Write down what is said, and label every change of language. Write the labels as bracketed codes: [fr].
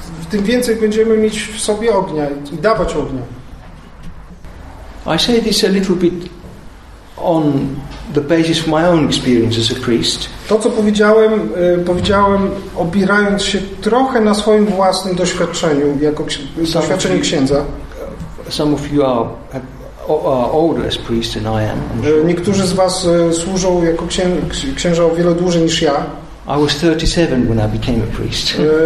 [pl] Tym więcej będziemy mieć w sobie ognia i dawać ognia. [en] I say this a little bit on the basis of my own experience as a priest. [pl] To, co powiedziałem, powiedziałem opierając się trochę na swoim własnym doświadczeniu jako doświadczeniu księdza. [en] Some of you are older as priest than I am. [pl] Niektórzy z was służą jako księża o wiele dłużej niż ja. [en] I was 37 when I became a priest.